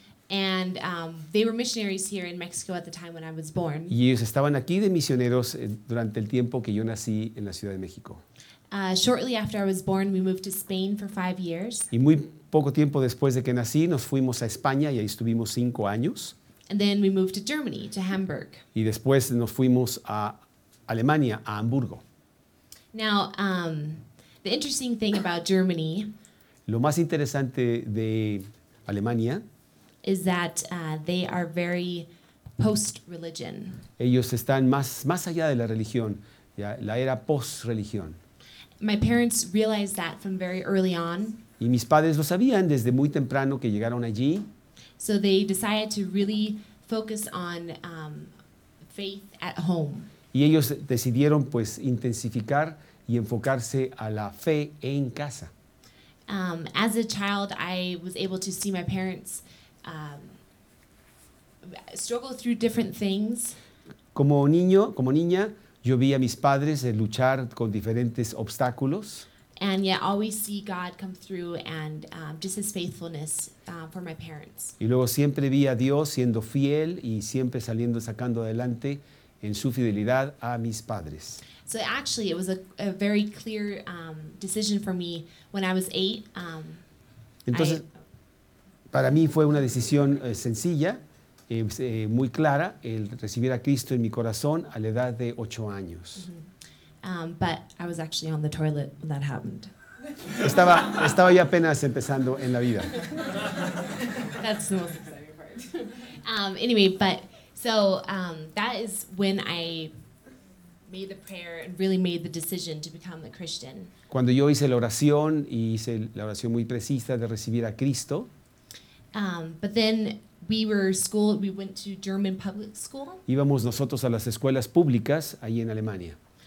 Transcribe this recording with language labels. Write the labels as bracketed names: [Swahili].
[English] And they were missionaries here in Mexico at the time when I was born. [Spanish] Y ellos estaban aquí de misioneros durante el tiempo que yo nací en la Ciudad de México. [English] Shortly after I was born, we moved to Spain for 5 years. [Spanish] Y muy poco tiempo después de que nací, nos fuimos a España y ahí estuvimos 5 años. [English] And then we moved to Germany, to Hamburg. [Spanish] Y después nos fuimos a Alemania, a Hamburgo. [English] Now, the interesting thing about Germany. [Spanish] Lo más interesante de Alemania [English] is that they are very post-religion. [Spanish] Ellos están más allá de la religión, ya, la era post-religión. [English] My parents realized that from very early on. [Spanish] Y mis padres lo sabían desde muy temprano que llegaron allí. [English] So they decided to really focus on faith at home. [Spanish] Y ellos decidieron pues intensificar y enfocarse a la fe en casa. [English] As a child, I was able to see my parents struggle through different things. [Spanish] Como niño, como niña, yo vi a mis padres luchar con diferentes obstáculos. [English] And yet always see God come through and just his faithfulness for my parents. [Spanish] Y luego siempre vi a Dios siendo fiel y siempre saliendo sacando adelante en su fidelidad a mis padres. [English] So actually it was a very clear decision for me when I was 8. [Spanish] Entonces, para mí fue una decisión sencilla, muy clara, el recibir a Cristo en mi corazón a la edad de 8 años. Mm-hmm. [English] But I was actually on the toilet when that happened. [Spanish] Estaba ya apenas empezando en la vida. [English] That's the most exciting part. Anyway, but so that is when I made the prayer and really made the decision to become a Christian. [Spanish] Cuando yo hice la oración y hice la oración muy precisa de recibir a Cristo. [English] But then we were schooled. We went to German public school. [Spanish] Íbamos nosotros a las escuelas públicas ahí en Alemania.